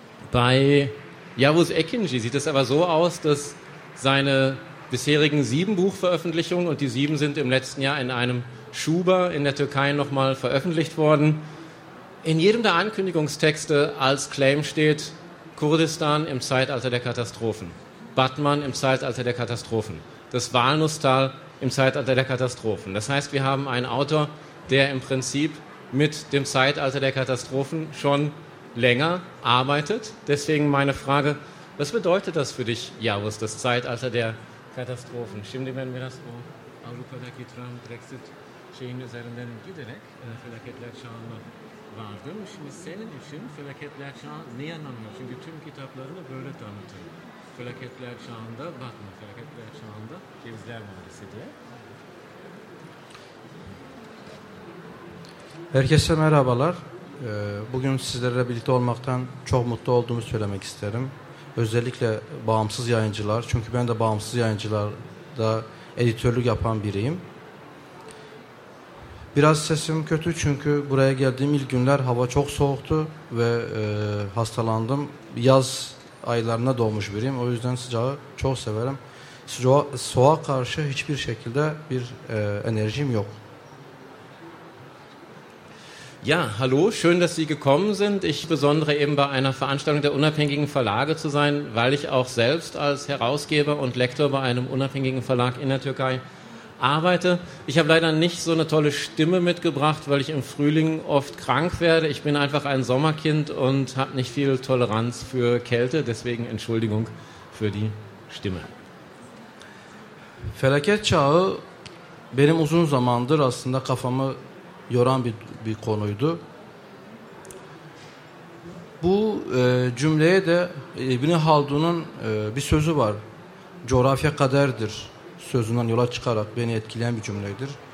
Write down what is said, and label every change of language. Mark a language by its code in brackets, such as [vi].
[de] Bei Yavuz Ekinci sieht es aber so aus, dass seine bisherigen 7 Buchveröffentlichungen, und die 7 sind im letzten Jahr in einem Schuber in der Türkei nochmal veröffentlicht worden, in jedem der Ankündigungstexte als Claim steht: Kurdistan im Zeitalter der Katastrophen, Batman im Zeitalter der Katastrophen, das Walnusstal im Zeitalter der Katastrophen. Das heißt, wir haben einen Autor, der im Prinzip mit dem Zeitalter der Katastrophen schon länger arbeitet. Deswegen meine Frage: Was bedeutet das für dich, Yavuz, das Zeitalter der Katastrophen? [tr] Şimdi ben biraz o Avrupa'daki Trump, Brexit şeyin üzerinden giderek felaketler çağında vardım. Şimdi senin için felaketler çağı neyi anlamıyor? Çünkü tüm kitaplarını böyle tanıtıyor. Felaketler çağında Batman, felaketler çağında Cevizler Mahallesi diye. Herkese merhabalar. Bugün sizlerle birlikte olmaktan çok mutlu olduğumu söylemek isterim. Özellikle bağımsız yayıncılar, çünkü ben de bağımsız yayıncılarda editörlük yapan biriyim. Biraz sesim kötü çünkü buraya geldiğim ilk günler hava çok soğuktu ve hastalandım. Yaz aylarına doğmuş biriyim. O yüzden sıcağı çok severim. Soğuğa karşı hiçbir şekilde bir enerjim yok. [de] Ja, hallo, schön, dass Sie gekommen sind. Ich besondere eben bei einer Veranstaltung der unabhängigen Verlage zu sein, weil ich auch selbst als Herausgeber und Lektor bei einem unabhängigen Verlag in der Türkei arbeite. Ich habe leider nicht so eine tolle Stimme mitgebracht, weil ich im Frühling oft krank werde. Ich bin einfach ein Sommerkind und habe nicht viel Toleranz für Kälte. Deswegen Entschuldigung für die Stimme. [tr] Felaket çağı benim uzun zamandır aslında kafamı yoran bir konuydu. Bu cümleye de İbni Haldun'un bir sözü var. Coğrafya kaderdir sözünden yola çıkarak beni etkileyen bir cümledir.